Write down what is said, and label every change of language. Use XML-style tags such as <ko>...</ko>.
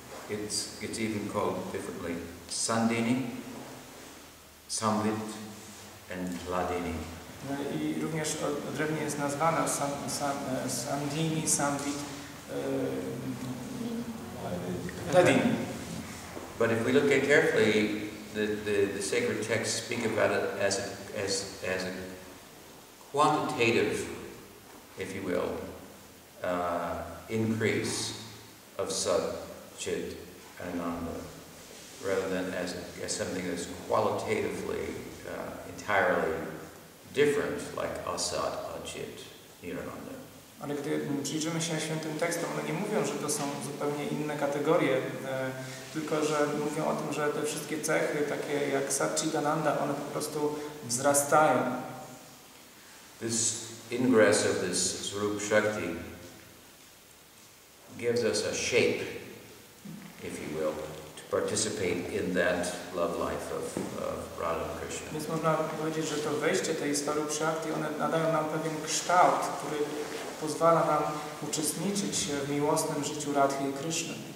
<en>It's even called differently sandini. Samvit and Ladini.</en> <pl>No i również odrębnie jest nazwana Sandini, Sandit, Ledin.</pl> <en>But if we look at carefully, the sacred texts speak about it as a quantitative, if you will, increase of sub, chit, ananda, rather than as something that's qualitatively entirely different, like asad, achit, nirananda.</en> <pl>Ale gdy przyjrzymy się świętym tekstom, one nie mówią, że to są zupełnie inne kategorie, tylko że mówią o tym, że te wszystkie cechy, takie jak satchitananda, one po prostu wzrastają.</pl> <en>This ingress of this Swarup Shakti gives us a shape, if you will, to participate in that love life of Radha Krishna.</en> <pl>Więc można powiedzieć, że to wejście tej Swarup Shakti, one nadają nam pewien kształt, który pozwala nam uczestniczyć w miłosnym życiu Radhy i Krishna.</pl>